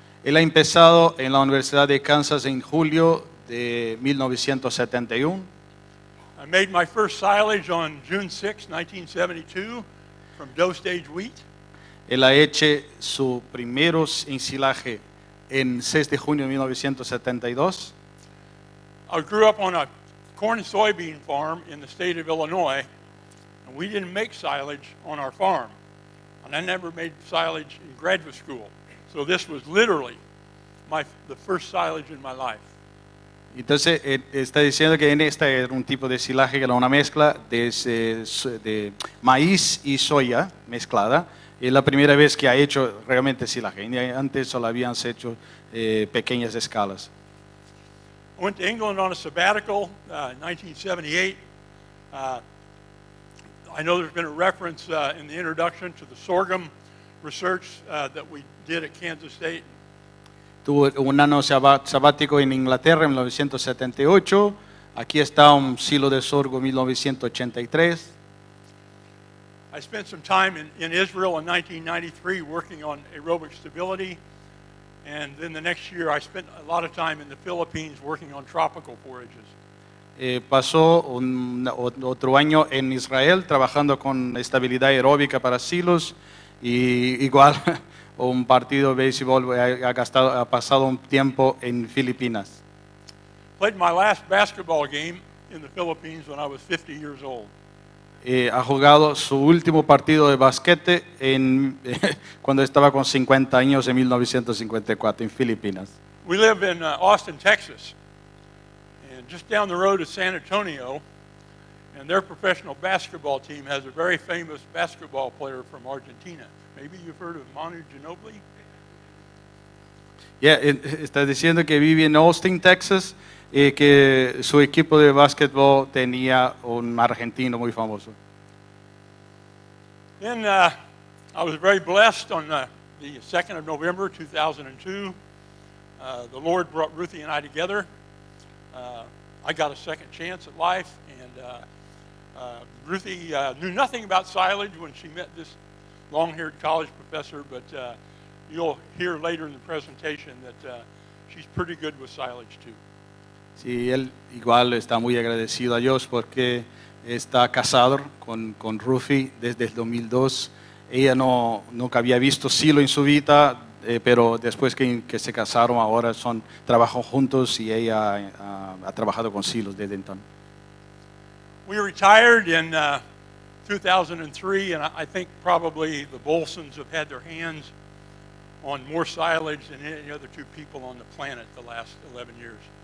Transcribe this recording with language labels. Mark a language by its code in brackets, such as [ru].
[es] Él ha empezado en la Universidad de Kansas en julio de 1971. [en] I made my first silage on June 6, 1972, from dough stage wheat. [es] Él ha hecho su primer ensilaje en 6 de junio de 1972. [en] I grew up on a corn and soybean farm in the state of Illinois, and we didn't make silage on our farm. And I never made silage in graduate school. So this was literally the first silage in my life. [es] Entonces está diciendo que en esta era un tipo de silaje que era una mezcla de maíz y soya mezclada. Es la primera vez que ha hecho realmente silaje. Antes solo habían hecho pequeñas escalas. [en] I went to England on a sabbatical in 1978. I know there's been a reference in the introduction to the sorghum research that we did at Kansas State. [es] Tuvo un año sabático en Inglaterra en 1978. Aquí está un silo de sorgo 1983. [en] I spent some time in Israel in 1993 working on aerobic stability. And then the next year I spent a lot of time in the Philippines working on tropical forages. [es] Pasó otro año en Israel trabajando con estabilidad aeróbica para silos y igual un partido de béisbol ha pasado un tiempo en Filipinas. [en] Played my last basketball game in the Philippines when I was 50 years old. [es] Ha jugado su último partido de basquete en cuando estaba con 50 años en 1954 en Filipinas. [en] We live in Austin, Texas. Just down the road is San Antonio, and their professional basketball team has a very famous basketball player from Argentina. Maybe you've heard of Manu Ginobili? [es] Yeah, está diciendo que vive en Austin, Texas, y que su equipo de basketball tenía un argentino muy famoso. [en] Then I was very blessed on the 2nd of November, 2002. The Lord brought Ruthie and I together. I got a second chance at life, and Ruthie knew nothing about silage when she met this long-haired college professor, but you'll hear later in the presentation that she's pretty good with silage, too. [es] Sí, él igual está muy agradecido a Dios porque está casado con Ruthie desde el 2002. Ella nunca había visto silo en su vida, pero después que se casaron, ahora trabajan juntos y ella ha trabajado con silos desde entonces. [en] We retired in 2003, and I think probably the Bolsons have had their hands on more silage than any other two people on the planet the last 11 years.